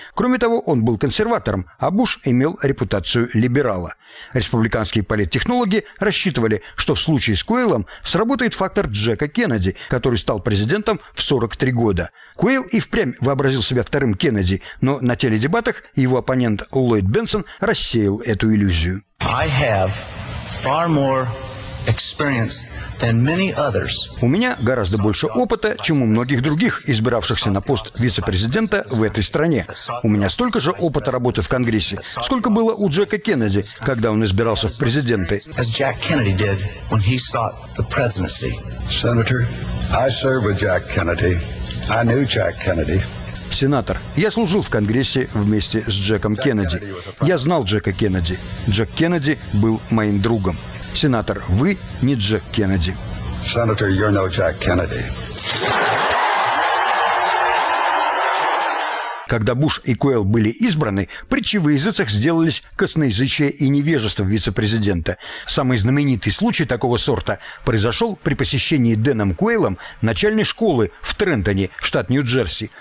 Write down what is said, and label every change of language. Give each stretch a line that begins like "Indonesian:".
Russian: Кроме того, он был консерватором, а Буш имел репутацию либерала. Республиканские политтехнологи рассчитывали, что в случае с Куэйлом сработает фактор Джека Кеннеди, который стал президентом в 43 года. Куэйл и впрямь вообразил себя вторым Кеннеди, но на теледебатах его оппонент Ллойд Бенсон рассеял эту иллюзию.
English: I have far more experience than many others.
Russian: У меня гораздо больше опыта, чем у многих других, избиравшихся на пост вице-президента в этой стране. У меня столько же опыта работы в Конгрессе, сколько было у Джека Кеннеди, когда он избирался в президенты.
English: As Jack Kennedy did when he sought the presidency. Senator, I served with Jack Kennedy. I knew Jack Kennedy.
Russian: Сенатор, я служил в Конгрессе вместе с Джеком Кеннеди. Я знал Джека Кеннеди. Джек Кеннеди был моим другом. Сенатор, вы не Джек Кеннеди.
English: Senator, you're no Jack Kennedy.
Russian: Когда Буш и Куэйл были избраны, притчи в языцах сделались косноязычие и невежество вице-президента. Самый знаменитый случай такого сорта произошел при посещении Дэном Куэйлом начальной школы в Трентоне, штат Нью-Джерси.